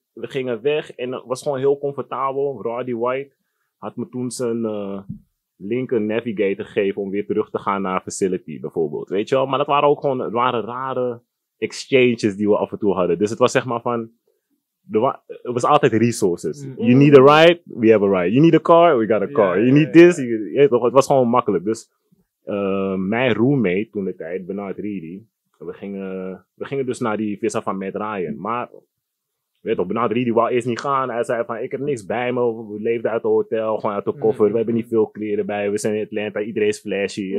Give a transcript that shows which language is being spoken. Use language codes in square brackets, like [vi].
[nl] We gingen weg en het was gewoon heel comfortabel. Roddy White had me toen zijn linker navigator gegeven om weer terug te gaan naar facility bijvoorbeeld. Weet je wel? Maar dat waren ook gewoon rare exchanges die we af en toe hadden. Dus het was zeg maar van, het was altijd resources. Mm-hmm. [en] You need a ride, we have a ride. You need a car, we got a car. Yeah, you need this, [nl] het was gewoon makkelijk. Dus mijn roommate toen de tijd, Bernard Reedy, we gingen dus naar die visa van Matt Ryan. Maar weet toch, Bernard Reedy wou eerst niet gaan. Hij zei van, ik heb niks bij me. We leefden uit het hotel, gewoon uit de koffer. Mm-hmm. We hebben niet veel kleren bij. We zijn in Atlanta. Iedereen is flashy. Mm-hmm.